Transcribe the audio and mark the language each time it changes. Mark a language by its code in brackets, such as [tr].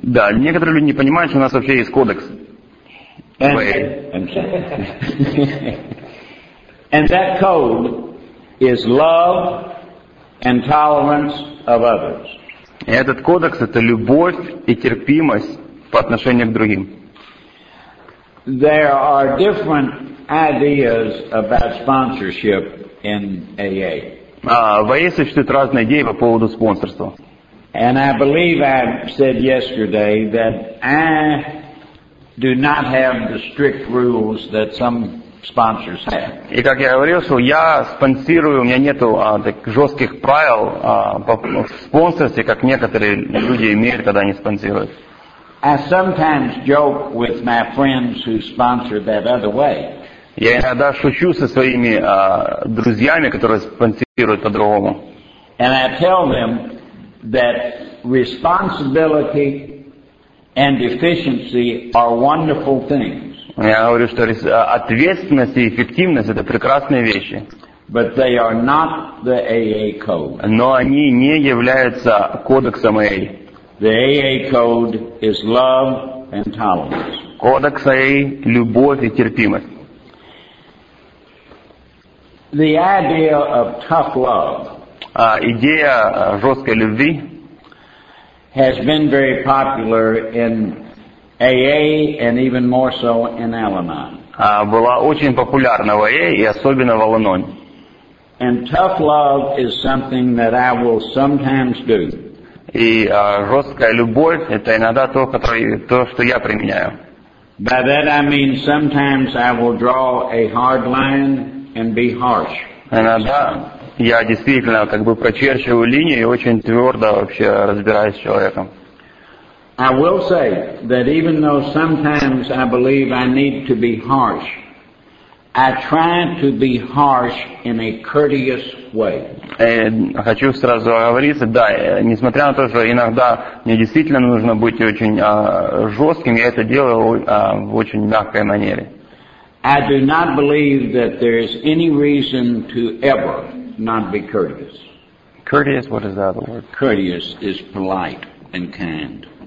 [ru] Да, некоторые люди не понимают, что у нас вообще есть кодекс. [en] And that code is love and tolerance of others. [ru] Этот кодекс это любовь и терпимость по отношению к другим. [en] There are different ideas about sponsorship in AA. [ru] В AA существуют разные идеи по поводу спонсорства. [en] And I believe I said yesterday that I do not have the strict rules that some sponsors have. [ru] И как я говорил, что я спонсирую, у меня нету так жестких правил по спонсорству, как некоторые люди имеют, когда они спонсируют. [en] I sometimes joke with my friends who sponsor that other way. [ru] Я иногда шучу со своими друзьями, которые спонсируют по-другому. [en] And I tell them that responsibility and efficiency are wonderful things. [ru] Я говорю, что ответственность и эффективность — это прекрасные вещи. [en] But they are not the AA code. [ru] Но они не являются кодексом AA. [en] The AA code is love and tolerance. [ru] Кодекс AA — любовь и терпимость. [en] The idea of tough love [ru] Идея жесткой любви [en] has been very popular in AA and even more so in Al-Anon. [ru] Была очень популярна в АА и особенно в Al-Anon. [en] And tough love is something that I will sometimes do. [ru] И жесткая любовь — это иногда то, что я применяю. [en] By that I mean sometimes I will draw a hard line and be harsh. [ru] Иногда я действительно как бы прочерчиваю линию и очень твердо вообще разбираюсь с человеком. [en] I will say that even though sometimes I believe I need to be harsh, I try to be harsh in a courteous way. [ru] Хочу сразу оговориться, да, несмотря на то, что иногда мне действительно нужно быть очень жестким, я это делаю в очень мягкой манере. [en] I do not believe that there is any reason to ever not be courteous. Courteous, what is that word? Courteous is polite and kind.